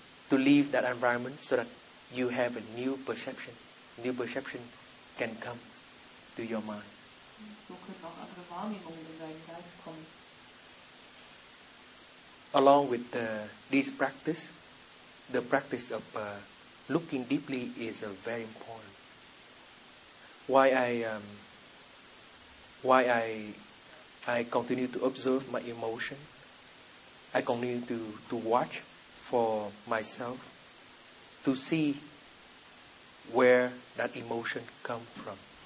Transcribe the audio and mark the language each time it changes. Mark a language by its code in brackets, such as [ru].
[en] To leave that environment so that you have a new perception. New perception can come to your mind. [de] So können auch andere Wahrnehmungen in deinen Geist kommen. [en] along with this practice, the practice of looking deeply is very important. Why I continue to observe my emotion, I continue to watch for myself to see where that emotion comes from.